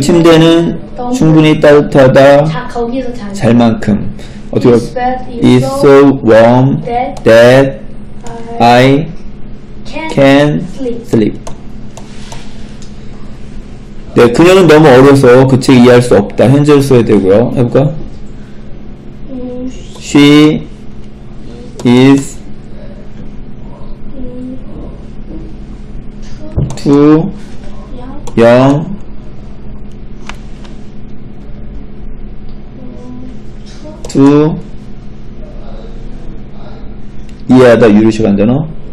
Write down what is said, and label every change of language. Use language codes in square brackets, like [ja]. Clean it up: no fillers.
[ko] 침대는 충분히 따뜻하다. 잘 만큼. 어떻게 [en] The bed is so warm that I can sleep. [ko] 네, 그녀는 너무 어려서 그 책 이해할 수 없다. 현재를 써야 되고요. 해볼까? [en] She is too young to [ko] 이해하다 유리식 안 되나?